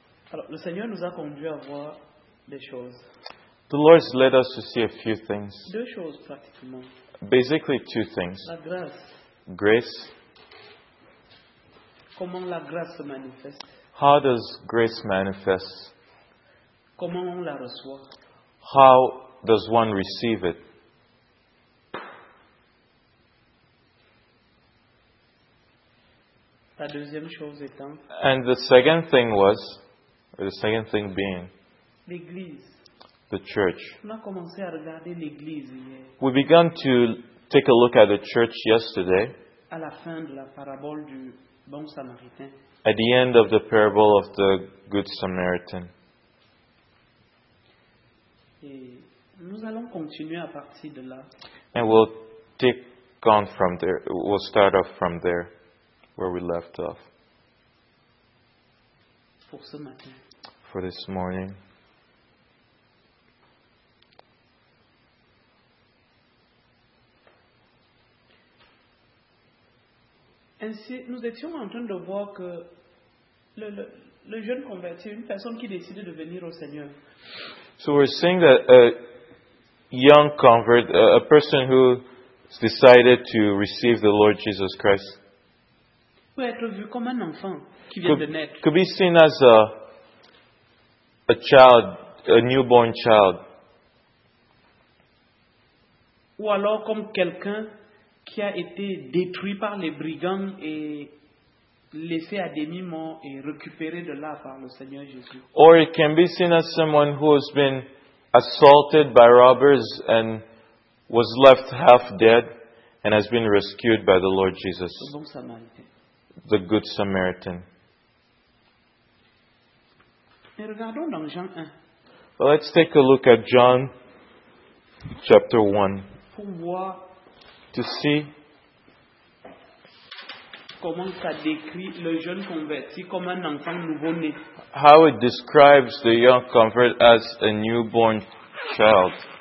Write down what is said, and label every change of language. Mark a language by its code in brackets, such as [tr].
[fr] Alors, le Seigneur nous a conduit à voir des choses. [en] The Lord has led us to see a few things. [fr] Deux choses, pratiquement. [en] Basically, two things. [fr] La grâce. [en] Grace. [fr] Comment la grâce se manifeste? [en] How does grace manifest? [fr] Comment on la reçoit? [en] How does one receive it? [fr] La deuxième chose étant. [en] And the second thing was. The second thing being [fr] l'église. [en] The church. [fr] On a commencé à regarder l'église hier. [en] We began to take a look at the church yesterday. [fr] À la fin de la parabole du bon samaritain. [en] At the end of the parable of the good Samaritan. [fr] Et nous allons continuer à partir de là. [en] And we'll take on from there. We'll start off from there where we left off. [fr] Pour ce matin. [en] For this morning. [fr] Ainsi, nous étions en train de voir que le jeune converti, une personne qui décidait de venir au Seigneur. [en] So we're seeing that a young convert, a person who decided to receive the Lord Jesus Christ, [fr] peut être vu comme un enfant. [en] Could be seen as a child, a newborn child. [fr] Ou alors comme quelqu'un qui a été détruit par les brigands et laissé à demi-mort et récupéré de là par le Seigneur Jésus. [en] Or it can be seen as someone who has been assaulted by robbers and was left half dead and has been rescued by the Lord Jesus. [fr] Le bon Samaritain. [en] The Good Samaritan. [fr] Mais regardons dans Jean 1. [en] Well, let's take a look at John chapter 1. [fr] Pour voir [en] to see [fr] comment ça décrit le jeune converti comme un enfant nouveau-né. [en] How it describes the young convert as a newborn child.